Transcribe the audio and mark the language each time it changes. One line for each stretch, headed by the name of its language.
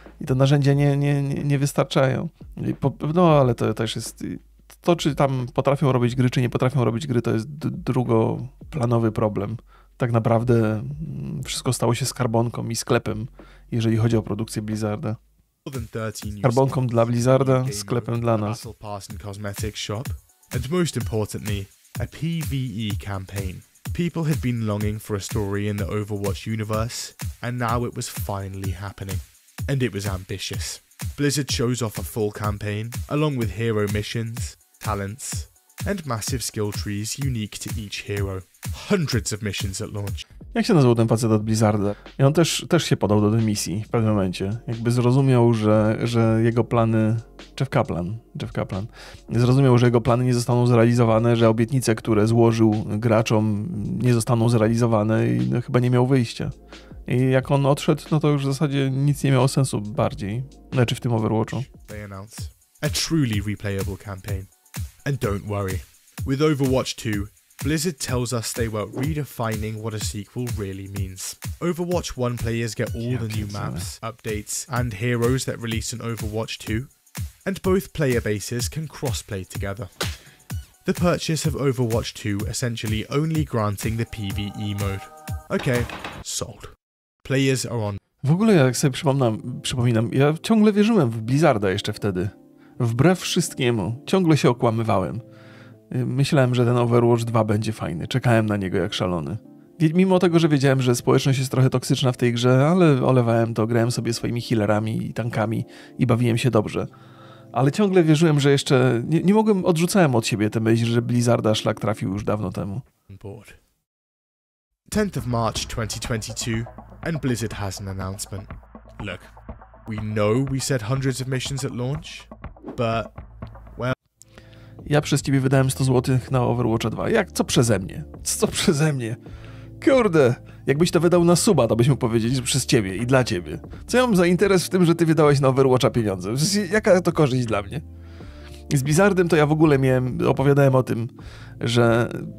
Polish: I te narzędzia nie wystarczają. No, ale to już jest... To, czy tam potrafią robić gry, czy nie potrafią robić gry, to jest drugoplanowy problem. Tak naprawdę wszystko stało się skarbonką i sklepem, jeżeli chodzi o produkcję Blizzarda. Skarbonką dla Blizzarda, sklepem dla nas.
English: Battle Pass and Cosmetics Shop. And most importantly, a PvE campaign. People had been longing for a story in the Overwatch universe, and now it was finally happening. And it was ambitious. Blizzard shows off a full campaign, along with hero missions, talents, and massive skill trees unique to each hero. Hundreds of missions at launch.
Polish: Jak się nazywał ten facet od Blizzarda? I on też się podał do tej misji w pewnym momencie. Jakby zrozumiał, że jego plany... Jeff Kaplan. Zrozumiał, że jego plany nie zostaną zrealizowane, że obietnice, które złożył graczom, nie zostaną zrealizowane i no, chyba nie miał wyjścia. I jak on odszedł, no to już w zasadzie nic nie miało sensu bardziej. Znaczy w tym Overwatchu.
English: They announce a truly replayable campaign. And don't worry. With Overwatch 2, Blizzard tells us they were redefining what a sequel really means. Overwatch 1 players get all the new maps, updates, and heroes that release in Overwatch 2, and both player bases can cross-play together. The purchase of Overwatch 2 essentially only granting the PvE mode. Okay, sold. Players are on.
Polish: W ogóle ja sobie przypominam, ja ciągle wierzyłem w Blizzarda jeszcze wtedy. Wbrew wszystkiemu, ciągle się okłamywałem. Myślałem, że ten Overwatch 2 będzie fajny. Czekałem na niego jak szalony. Mimo tego, że wiedziałem, że społeczność jest trochę toksyczna w tej grze, ale olewałem to, grałem sobie swoimi healerami i tankami i bawiłem się dobrze. Ale ciągle wierzyłem, że jeszcze... Nie mogłem, odrzucałem od siebie tę myśl, że Blizzarda szlak trafił już dawno temu.
English: 10th of March 2022 and Blizzard has an announcement. Look, we know we said hundreds of missions at launch, but...
Polish: Ja przez ciebie wydałem 100 zł na Overwatcha 2. Jak? Co przeze mnie? Co przeze mnie? Kurde! Jakbyś to wydał na suba, to byśmy powiedzieli, że przez ciebie i dla ciebie. Co ja mam za interes w tym, że ty wydałeś na Overwatcha pieniądze? Jaka to korzyść dla mnie? Z Blizzardem to ja w ogóle miałem, opowiadałem o tym, że...